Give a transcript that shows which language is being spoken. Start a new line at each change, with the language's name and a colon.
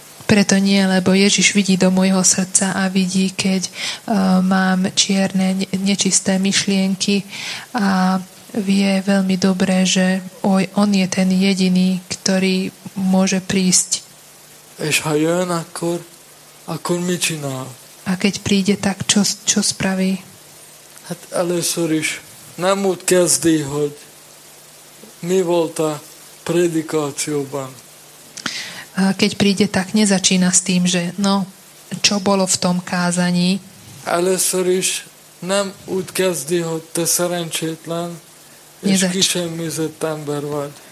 Slovak: Preto nie, lebo Ježiš vidí do mojho srdca a vidí, keď mám čierne, nečisté myšlienky a vie veľmi dobre, že on je ten jediný, ktorý môže prísť.
Hungarian: És ha jön, akkor mi csinál?
Slovak: A keď príde, tak čo spraví?
Hungarian: Hát először is nem úgy kezdi, hogy mi volt a predikációban.
Slovak: A keď príde, tak nezačína s tým, že no, čo bolo v tom kázaní.
Hungarian: Először is nem úgy kezdi, hogy te szerencsétlen és kisemmizett ember vagy.